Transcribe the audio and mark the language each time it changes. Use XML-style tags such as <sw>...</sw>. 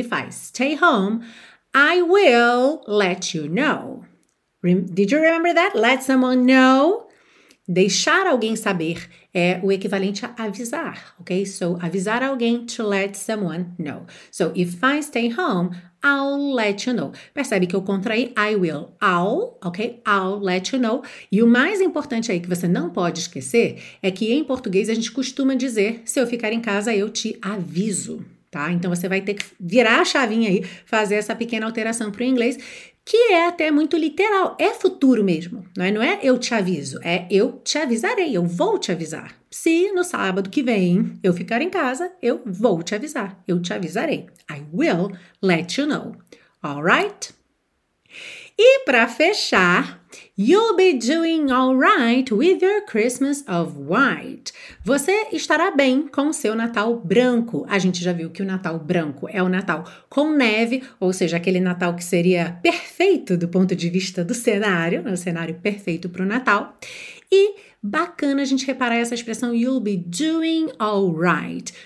<en>If I stay home, I will let you know. Did you remember that? Let someone know.</en> <pt>Deixar alguém saber é o equivalente a avisar, ok?</pt> <en>So,</en> <pt>avisar alguém,</pt> <en>to let someone know. So, if I stay home, I'll let you know.</en> <pt>Percebe que eu contraí,</pt> <en>I will, I'll, ok? I'll let you know.</en> <pt>E o mais importante aí que você não pode esquecer é que em português a gente costuma dizer, se eu ficar em casa, eu te aviso, tá? Então, você vai ter que virar a chavinha aí, fazer essa pequena alteração para o inglês, que é até muito literal, é futuro mesmo, não é? Não é eu te aviso, é eu te avisarei, eu vou te avisar. Se no sábado que vem eu ficar em casa, eu vou te avisar, eu te avisarei.</pt> <en>I will let you know, alright?</en> <pt>E para fechar,</pt> <en>you'll be doing alright with your Christmas of white.</en> <pt>Você estará bem com o seu Natal branco. A gente já viu que o Natal branco é o Natal com neve, ou seja, aquele Natal que seria perfeito do ponto de vista do cenário, né? O cenário perfeito para o Natal. E bacana a gente reparar essa expressão</pt> <en>you'll be doing alright.</en>